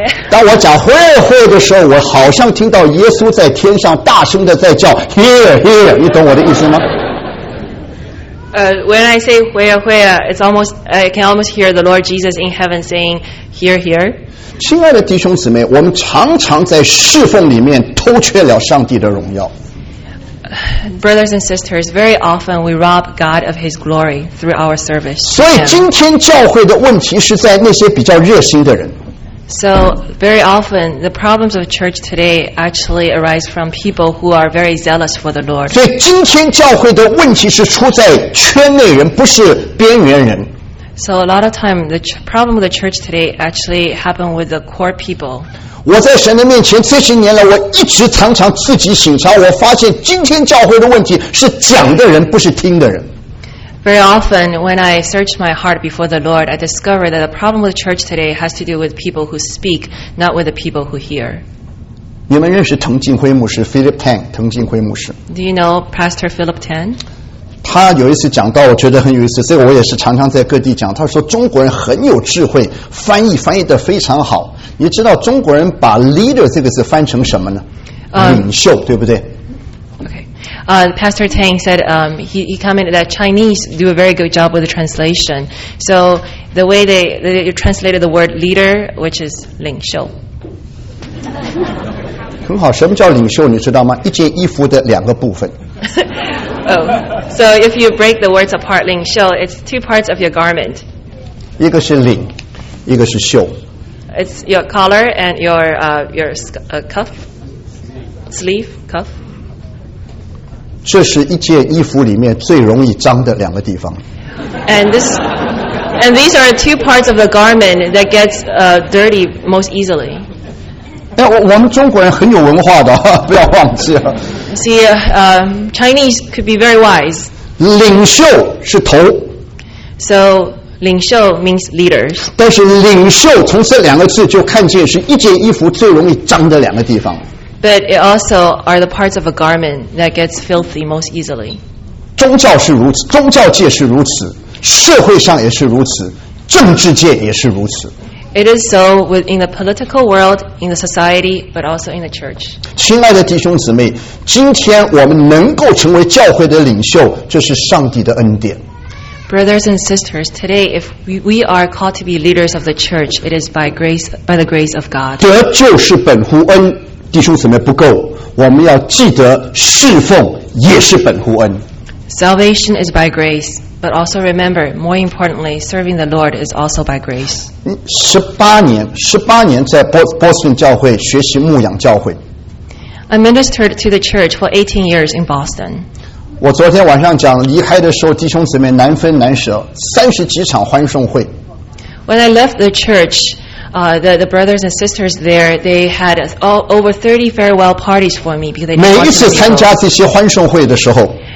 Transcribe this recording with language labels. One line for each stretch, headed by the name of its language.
Chinese: 当我讲会的时候，我好像听到耶稣在天上大声的在叫 hear， 你懂我的意思吗？
English: When I say hear, it's almost I can almost hear the Lord Jesus in heaven saying hear.
Chinese: 亲爱的弟兄姊妹，我们常常在侍奉里面偷缺了上帝的荣耀。
English: Brothers and sisters, very often we rob God of His glory through our service.
Chinese: 所以今天教会的问题是在那些比较热心的人。
English: So very often the problems of church today actually arise from people who are very zealous for the Lord.
Chinese: 所以今天教会的问题是出在圈内人，不是边缘人。
English: So a lot of time the problem of the church today actually happened with the core people.
Chinese: 我在神的面前这些年来，我一直常常自己省察，我发现今天教会的问题是讲的人，不是听的人。
English: Very often, when I search my heart before the Lord, I discover that the problem with church today has to do with people who speak, not with the people who hear.
Chinese: 你们认识滕进辉牧师 Philip Tan， 滕进辉牧师。
English: Do you know Pastor Philip Tan?
Chinese: 他有一次讲到，我觉得很有意思，所以我也是常常在各地讲。他说中国人很有智慧，翻译得非常好。你知道中国人把 leader 这个字翻成什么呢？领袖，对不对？
English: Pastor Tang said he commented that Chinese do a very good job with the translation. So the way they translated the word leader, which is 领袖。
Chinese: 很好，什么叫领袖？你知道吗？一件衣服的两个部分。
English: Oh, so if you break the words apart, 领袖, it's two parts of your garment.
Chinese: 一个是领，一个是袖。
English: It's your collar and your cuff, sleeve, cuff.
Chinese: 这是一件衣服里面最容易脏的两个地方。
English: And these are two parts of the garment that gets dirty most easily.
Chinese: 我们中国人很有文化的，不要忘记了。
English: See, Chinese could be very wise.
Chinese: 领袖是头。
English: So, 领袖 means leaders.
Chinese: 但是领袖从这两个字就看见是一件衣服最容易脏的两个地方。
English: But it also are the parts of a garment that gets filthy most easily.
Chinese: 宗教是如此，宗教界是如此，社会上也是如此，政治界也是如此。
English: It is so within the political world, in the society, but also in the church.
Chinese: 亲爱的弟兄姊妹，今天我们能够成为教会的领袖，这是上帝的恩典。
English: Brothers and sisters, today if we are called to be leaders of the church, it is by the grace of God.
Chinese: 得救是本乎恩。弟兄姊妹不够，我们要记得侍奉也是本乎恩。
English: Salvation is by grace, but also remember, more importantly, serving the Lord is also by grace.
Chinese: 十八年在波士顿教会学习牧养教会。
English: I ministered to the church for 18 years in Boston.
Chinese: 我昨天晚上讲离开的时候，弟兄姊妹难分难舍，三十几场欢送会。
English: When I left the church,the brothers and sisters there, they had over 30 farewell parties for me because they.
Chinese: 每一次参加这些欢送会的时候